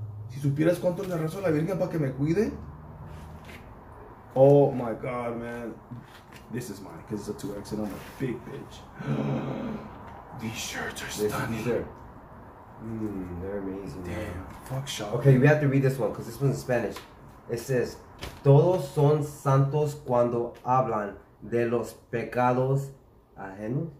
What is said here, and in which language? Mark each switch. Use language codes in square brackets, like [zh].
[es] Si supieras cuánto le rezo a la Virgen para que me cuide. [en] Oh my God, man. This is mine because it's a 2X and I'm a big bitch. These shirts are stunning. They're amazing. Damn. Fuck shop. Okay, we have to read this one because this one's in Spanish. It says, [es] todos son santos cuando hablan de los pecados ajenos.